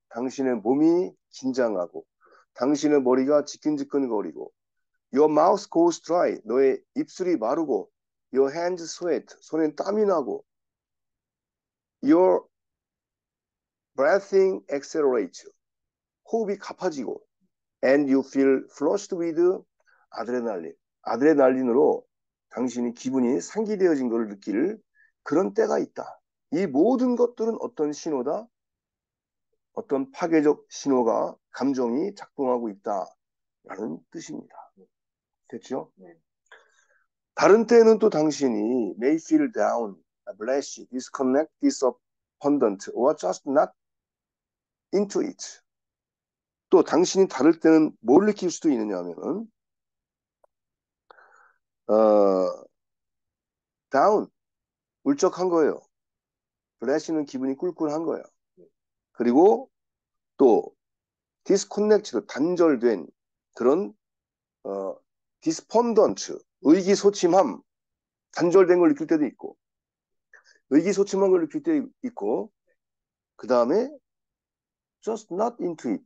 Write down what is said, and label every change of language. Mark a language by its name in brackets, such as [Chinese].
[Korean] 당신의 몸이 긴장하고, 당신의 머리가 지끈지끈거리고, [English] your mouth goes dry. [Korean] 너의 입술이 마르고, [English] your hands sweat. [Korean] 손에 땀이 나고, [English] your Breathing accelerates. [Korean] 호흡이 가파지고, [English] and you feel flushed with adrenaline. [Korean] 아드레날린으로 당신이 기분이 상기되어진 것을 느낄 그런 때가 있다. 이 모든 것들은 어떤 신호다? 어떤 파괴적 신호가 감정이 작동하고 있다라는 뜻입니다. 됐죠? 다른 때는 또 당신이 [English] may feel down, blessed, disconnect, disappointed, or just not into it. [Korean] 또 당신이 다를 때는 뭘 느낄 수도 있느냐 하면은 다운 울적한 거예요. 블래시는 기분이 꿀꿀한 거예요. 그리고 또 디스코넥트드 단절된 그런 디스펀던츠 의기소침함 단절된 걸 느낄 때도 있고 의기소침한 걸 느낄 때도 있고 그 다음에 [English] Just not into it.